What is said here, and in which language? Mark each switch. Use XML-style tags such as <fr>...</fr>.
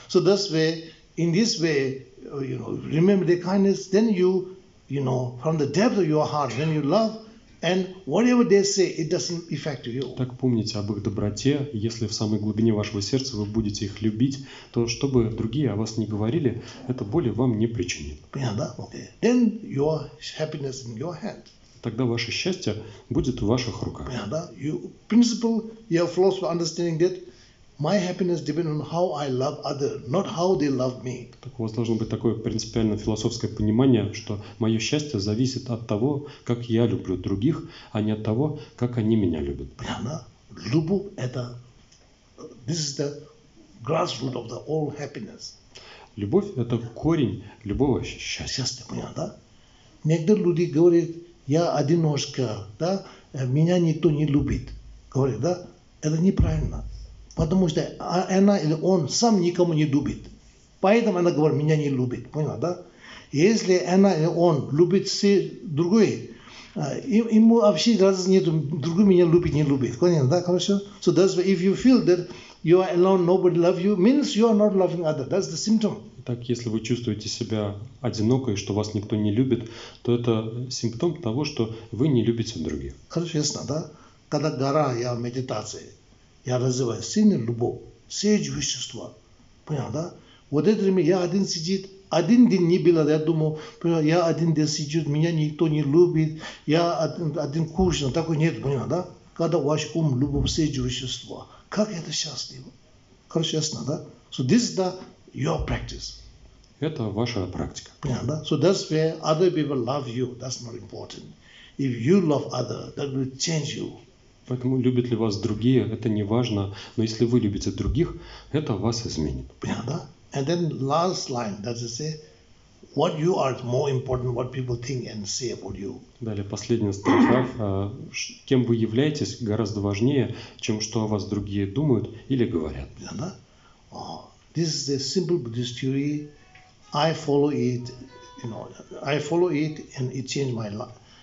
<en>So that's way, in this way, you know, remember the kindness, then you know, from the depth of your heart, when you love, and whatever they say, it doesn't affect you.</en> <ru>Так помните об их доброте. Если в самой глубине вашего сердца вы будете их любить, то что бы другие о вас ни говорили, это боли вам не причинит. Понятно, да?</ru> <en>Okay. Then your happiness in your hand.</en> <ru>Тогда ваше счастье будет в ваших руках. Понятно, да?</ru> <en>You, principle, your philosophy understanding that my happiness depends on how I love other, not how they love me.</en> <ru>Так у вас должно быть такое принципиально философское понимание, что мое счастье зависит от того, как я люблю других, а не от того, как они меня любят. Понятно? Любовь – это</ru> <en>this is the grassroots of the all happiness.</en> <ru>Любовь – это корень любого счастья. Счастье, понятно, да? Некоторые люди говорят, я одиночка, да? Меня никто не любит. Говорят, да? Это неправильно. Потому что она или он сам никому не любит. Поэтому она говорит, меня не любит. Понял, да? Если она и он любит все другие, ему вообще разницы нет, другой меня любит, не любит. Понял, да? Хорошо?</ru> <en>So that's why if you feel that you are alone, nobody love you, means you are not loving other. That's the symptom.</en> <ru>Так, если вы чувствуете себя одинокой, что вас никто не любит, то это симптом того, что вы не любите других. Хорошо, ясно, да? Когда гора, я в медитации, я называю сильную любовь, все вещества. Понял, да? Вот это время я один сидит, один день не было, я думал, я один день сидит, меня никто не любит, я один кушаю, такой нет, понял, да? Когда ваш ум, любовь, все вещества, как это счастливо? Хорошо, ясно, да?</ru> <en>So this is the your practice.</en> <ru>Это ваша практика. Понял, да?</ru> <en>So that's where other people love you, that's more important. If you love other, that will change you.</en> <ru>Поэтому любят ли вас другие, это не важно, но если вы любите других, это вас изменит. Понял, да?</ru> <en>And then last line, that is say, what you are more important, what people think and say about you.</en> <ru>Далее последняя строка, кем вы являетесь, гораздо важнее, чем что о вас другие думают или говорят. Понял, да?</ru> <en>This is a simple Buddhist theory. I follow it, you know. I follow it and it changed my life.</en>